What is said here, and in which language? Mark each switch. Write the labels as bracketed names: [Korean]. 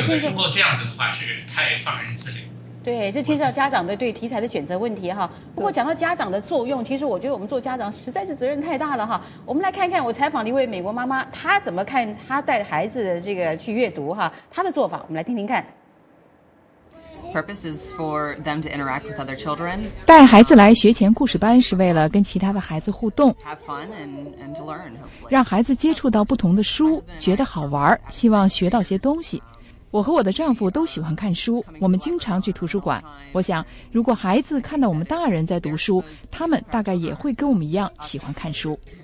[Chinese] 有的时候这样子的话是太放任自流。对，这牵涉到家长的对题材的选择问题哈。不过讲到家长的作用，其实我觉得我们做家长实在是责任太大了哈。我们来看看我采访了一位美国妈妈，她怎么看她带孩子的这个去阅读哈，她的做法我们来听听看。 [English] Purpose is for them to interact with other children. [Chinese] 带孩子来学前故事班是为了跟其他的孩子互动，让孩子接触到不同的书，觉得好玩，希望学到些东西。我和我的丈夫都喜欢看书，我们经常去图书馆。我想，如果孩子看到我们大人在读书，他们大概也会跟我们一样喜欢看书。